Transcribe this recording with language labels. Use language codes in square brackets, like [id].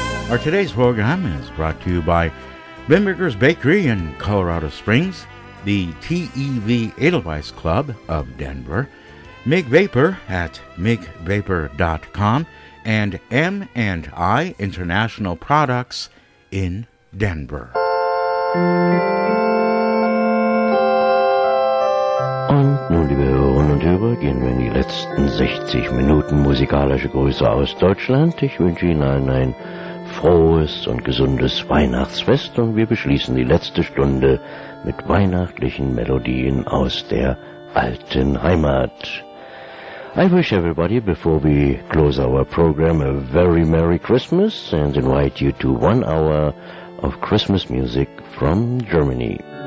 [en] Our today's program is brought to you by Bimberger's Bakery in Colorado Springs, the TEV Edelweiss Club of Denver, Mgfg at mgfg.com, and M&I International Products in Denver. [de] Und nun, liebe Hörerinnen und Hörer, gehen wir in die letzten 60 Minuten musikalische Grüße aus Deutschland. Ich wünsche Ihnen allen ein frohes und gesundes Weihnachtsfest und wir beschließen die letzte Stunde mit weihnachtlichen Melodien aus der alten Heimat. [en] I wish everybody, before we close our program, a very Merry Christmas and invite you to 1 hour of Christmas music from Germany.